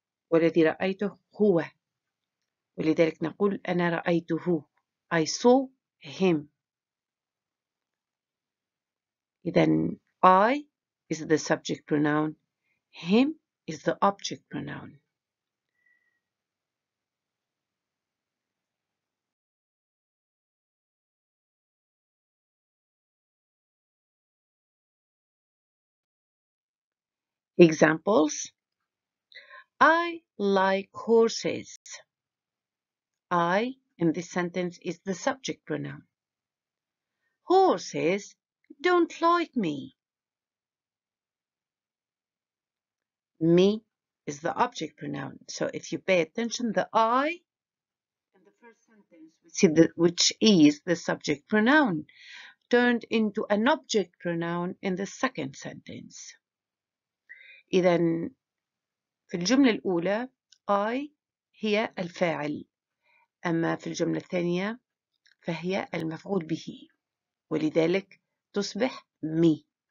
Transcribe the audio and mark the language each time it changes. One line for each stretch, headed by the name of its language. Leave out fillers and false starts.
Arabic: والذي رأيته هو، ولذلك نقول أنا رأيته.
English: I saw him. إذن I is the subject pronoun. Him is the object pronoun. Examples. I like horses. I, in this sentence, is the subject pronoun. Horses don't like me. Me is the object pronoun. So if you pay attention, the I in the first sentence, which is the subject pronoun, turned into an object pronoun in the second sentence.
Arabic: إذن في الجملة الأولى I هي الفاعل، أما في الجملة الثانية فهي المفعول به، ولذلك تصبح me.